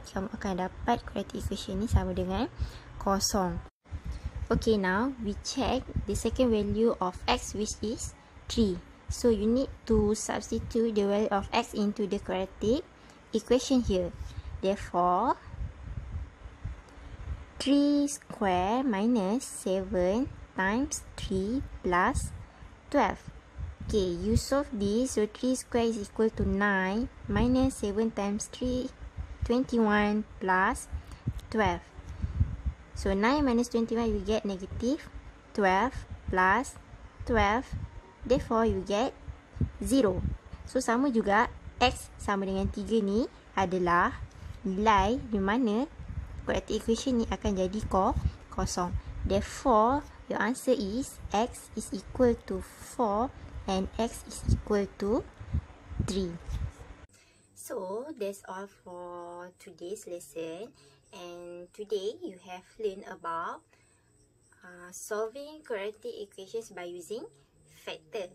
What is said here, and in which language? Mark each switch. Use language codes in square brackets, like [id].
[ms] Kamu akan dapat quadratic equation ni sama dengan 0. [en] Okay, now we check the second value of x, which is 3. So, you need to substitute the value of x into the quadratic equation here. Therefore, 3 square minus 7 times 3 plus 12. Okay, you solve this, so 3 square is equal to 9 minus 7 times 3, 21 plus 12. So 9 minus 21, you get negative 12 plus 12. Therefore, you get 0. [ms] So sama juga, x sama dengan 3 ni adalah nilai di mana quadratic equation ni akan jadi kosong. [en] Therefore, your answer is x is equal to 4. And x is equal to 3. So, that's all for today's lesson. And today, you have learned about solving quadratic equations by using factor.